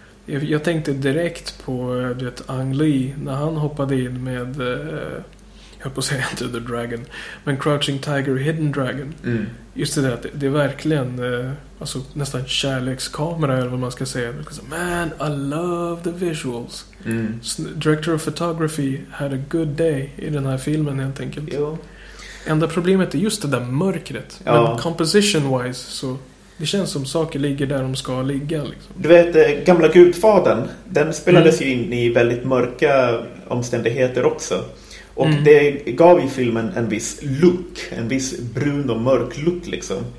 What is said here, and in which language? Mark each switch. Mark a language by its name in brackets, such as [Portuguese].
[Swedish] Jag tänkte direkt på det Ang Lee när han hoppade in med jag höll på att säga Enter the Dragon. Men Crouching Tiger, Hidden Dragon. Mm. Just det där, det är verkligen alltså, nästan kärlekskamera eller vad man ska säga. [English] Man, I love the visuals. Mm. Director of Photography had a good day [Swedish] i den här filmen helt enkelt. Jo. Enda problemet är just det där mörkret. Ja. Men composition-wise så det känns som saker ligger där de ska ligga. Liksom. Du vet, gamla Gudfaden, den spelades ju in i väldigt mörka omständigheter också. Och det gav ju filmen en viss look, en viss brun och mörk look liksom.